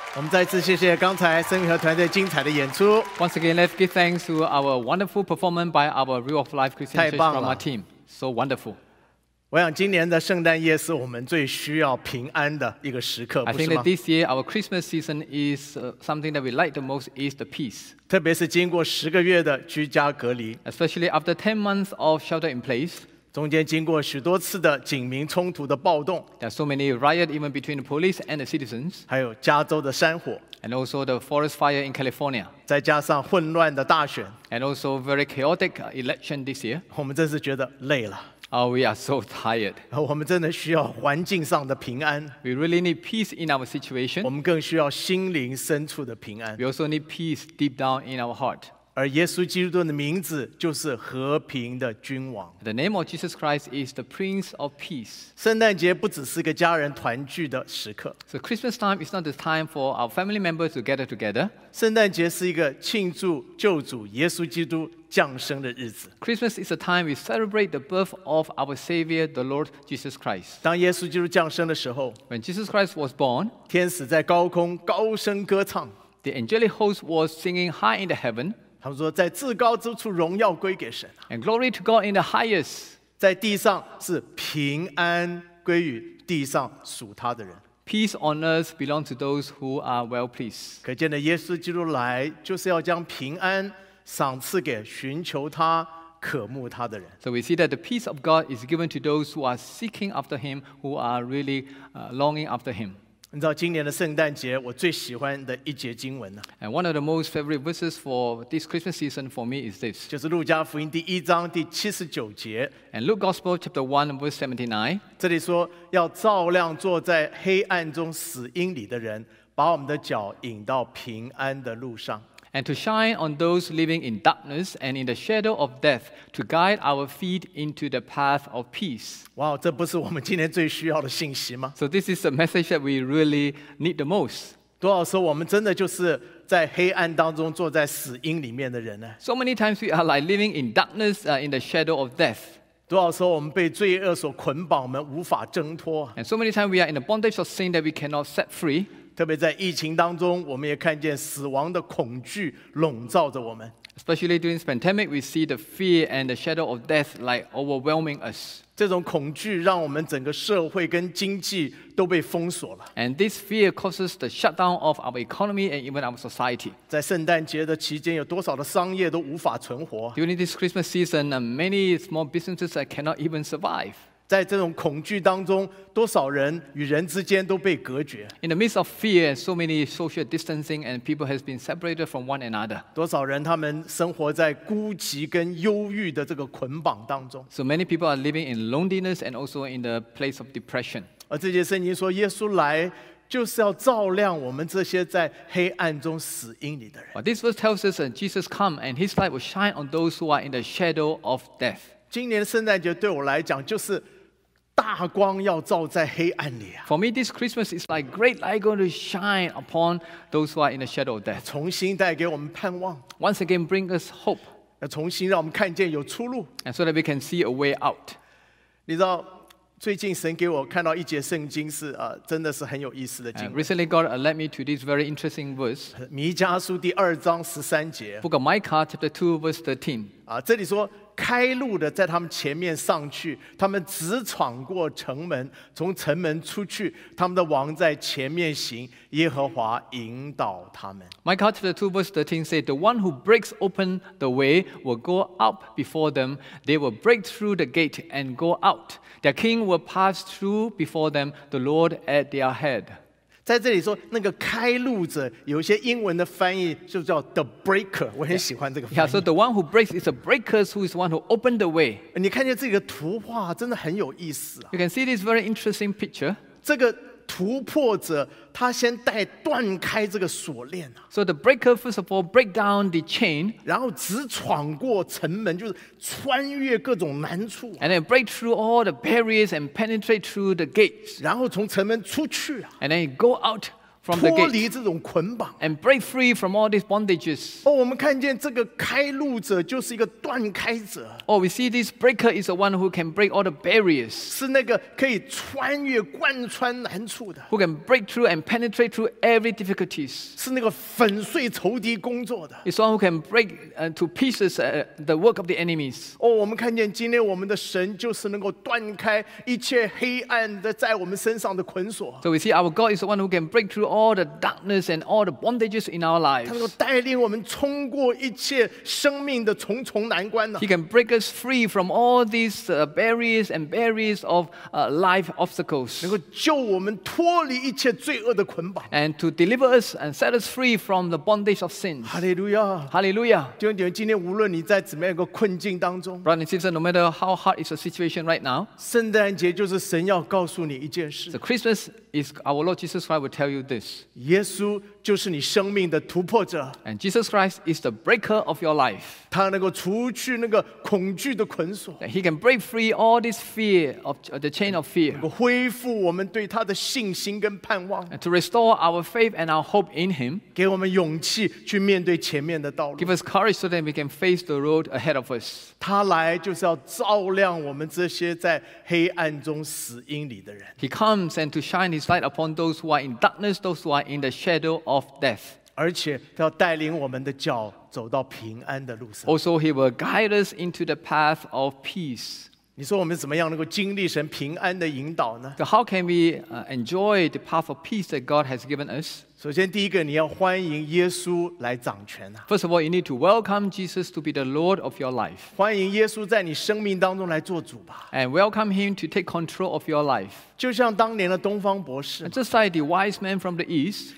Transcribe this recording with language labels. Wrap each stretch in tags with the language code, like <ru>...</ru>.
<zh>再次谢谢刚才森林合团队精彩的演出。</zh> <en>Once again, let's give thanks to our wonderful performance by our Real of Life Christian Church Drama Team. So wonderful.</en> <zh>我想今年的圣诞夜是我们最需要平安的一个时刻，不是吗？</zh> <en>I think that this year our Christmas season is something that we like the most is the peace.</en> <zh>特别是经过十个月的居家隔离</zh> <en>，especially after 10 months of shelter in place.</en> <zh>中间经过许多次的警民冲突的暴动</zh> <en>，there are so many riots even between the police and the citizens.</en> <zh>还有加州的山火</zh> <en>，and also the forest fire in California.</en> <zh>再加上混乱的大选</zh> <en>，and also very chaotic election this year.</en> <zh>我们真是觉得累了。</zh> <en>We are so tired.</en> <zh>我们真的需要环境上的平安。</zh> <en>We really need peace in our situation.</en> <zh>我们更需要心灵深处的平安。</zh> <en>We also need peace deep down in our heart.</en> <zh>而耶稣基督的名字就是和平的君王。</zh> <en>The name of Jesus Christ is the Prince of Peace.</en> <zh>圣诞节不只是个家人团聚的时刻。</zh> <en>So Christmas time is not the time for our family members to gather together.</en> <zh>圣诞节是一个庆祝救主耶稣基督降生的日子。</zh> <en>Christmas is a time we celebrate the birth of our Savior, the Lord Jesus Christ.</en> <zh>当耶稣基督降生的时候，</zh> <en>When Jesus Christ was born,</en> <zh>天使在高空高声歌唱。</zh> <en>The angelic host was singing high in the heaven.</en> <zh>他们说在至高之处荣耀归给神、</zh> <en>啊、And glory to God in the highest</en> <zh>在地上是平安归于地上属他的人</zh> <en>Peace on earth belongs to those who are well pleased</en> <zh>可见的耶稣基督来就是要将平安赏赐给寻求他渴慕他的人</zh> <en>So we see that the peace of God is given to those who are seeking after him who are really longing after him</en> <zh>你知道今年的圣诞节我最喜欢的一节经文呢</zh> <en>And one of the most favorite verses for this Christmas season for me is this.</en> <zh>就是路加福音第一章第七十九节。</zh> <en>And Luke Gospel chapter 1 verse 79.</en> <zh>这里说要照亮坐在黑暗中死荫里的人把我们的脚引到平安的路上。</zh> <en>And to shine on those living in darkness and in the shadow of death to guide our feet into the path of peace.</en> <zh>Wow, 这不是我们今天最需要的信息吗?</zh> <en>So this is the message that we really need the most.</en> <zh>多少时候我们真的就是在黑暗当中坐在死荫里面的人呢?</zh> <en>So many times we are like living in darkness, in the shadow of death.</en> <zh>多少时候我们被罪恶所捆绑，我们无法挣脱。</zh> <en>And so many times we are in the bondage of sin that we cannot set free.</en> <zh>特别在疫情当中，我们也看见死亡的恐惧笼罩着我们。</zh> <en>Especially during this pandemic, we see the fear and the shadow of death like overwhelming us.</en> <zh>这种恐惧让我们整个社会跟经济都被封锁了。</zh> <en>And this fear causes the shutdown of our economy and even our society.</en> <zh>在圣诞节的期间，有多少的商业都无法存活。</zh> <en>During this Christmas season, many small businesses cannot even survive.</en> <zh>在这种恐惧当中，多少人与人之间都被隔绝。</zh> <en>In the midst of fear, so many social distancing and people has been separated from one another.</en> <zh>多少人他们生活在孤寂跟忧郁的这个捆绑当中。</zh> <en>So many people are living in loneliness and also in the place of depression.</en> <zh>而这节圣经说，耶稣来就是要照亮我们这些在黑暗中死荫里的人。</zh> <en>This verse tells us that Jesus come and his light will shine on those who are in the shadow of death.</en> <zh>今年圣诞节对我来讲就是。大光要照在黑暗里、啊、</zh> <en>For me, this Christmas is like great light going to shine upon those who are in the shadow of death.</en> <zh>重新带给我们盼望。</zh> <en>Once again, bring us hope.</en> <zh>要重新让我们看见有出路。</zh> <en>And so that we can see a way out.</en> <zh>你知道，最近神给我看到一节圣经是真的是很有意思的经文。</zh> <en>Recently, God led me to this very interesting verse.</en> <zh>弥迦书第二章十三节。</zh> <en>Book of Micah, chapter 2, verse 13.</en> <zh>这里说。开路的在他们前面上去他们直闯过城门从城门出去他们的王在前面行耶和华引导他们</zh> <en>Micah 2 verse 13 said The one who breaks open the way will go up before them They will break through the gate and go out Their king will pass through before them The Lord at their head</en> <zh>在这里说那个开路者有些英文的翻译就叫</zh> <en>the breaker</en> <zh>我很喜欢这个翻译</zh> <en>Yeah, so the one who breaks is a breaker who is the one who opened the way</en> <zh>你看见这个图画真的很有意思、啊、</zh> <en>You can see this very interesting picture</en> <zh>这个突破者他先带断开这个锁链、啊、</zh> <en>So the breaker first of all break down the chain</en> <zh>然后直闯过城门就是穿越各种难处、</zh> <en>啊、And then break through all the barriers and penetrate through the gates</en> <zh>然后从城门出去、啊、</zh> <en>And then go out from the gate</en> <zh>脱离这种捆绑</zh> <en>And break free from all these bondages、</en> <zh>oh, 我们看见这个开路者就是一个断开者</zh> <en>Oh, we see this breaker is the one who can break all the barriers</en> <zh>是那个可以穿越贯穿难处的</zh> <en>Who can break through and penetrate through every difficulties</en> <zh>是那个粉碎仇敌工作的</zh> <en>It's the one who can break to pieces the work of the enemies</en> <zh>Oh, 我们看见今天我们的神就是能够断开一切黑暗的在我们身上的捆锁</zh> <en>So we see our God is the one who can break through all the darkness and all the bondages in our lives. He can break us free from all these barriers and barriers of life obstacles. And to deliver us and set us free from the bondage of sin. Hallelujah. Hallelujah.</en> <zh>弟兄姐妹，今天无论你在怎么样一个困境当中</zh> <en>Brother and sister, no matter how hard is the situation right now,</en> <zh>圣诞节就是神要告诉你一件事</zh> <en>So Christmas is our Lord Jesus Christ will tell you this.</en> <zh>耶稣就是你生命的突破者。</zh> <en>And Jesus Christ is the breaker of your life.</en> <zh>他能够除去那个恐惧的捆锁。</zh> <en>He can break free all this fear of the chain of fear.</en> <zh>能够恢复我们对他的信心跟盼望。</zh> <en>And to restore our faith and our hope in him.</en> <zh>给我们勇气去面对前面的道路。</zh> <en>Give us courage so that we can face the road ahead of us.</en> <zh>他来就是要照亮我们这些在黑暗中死荫里的人。</zh> <en>He comes and to shine his light upon those who are in darkness, those who are in the shadow of death.</en> <zh>而且他要带领我们的脚走到平安的路上。</zh> <en>Also, he will guide us into the path of peace.</en> <zh>你说我们怎么样能够经历神平安的引导呢？</zh> <en>So how can we enjoy the path of peace that God has given us?</en> <zh>首先第一个，你要欢迎耶稣来掌权。</zh> <en>First of all, you need to welcome Jesus to be the Lord of your life.</en> <zh>欢迎耶稣在你生命当中来做主吧。</zh> <en>And welcome him to take control of your life.</en> <zh>就像当年的东方博士</zh> <en>Just like the wise men from the east</en>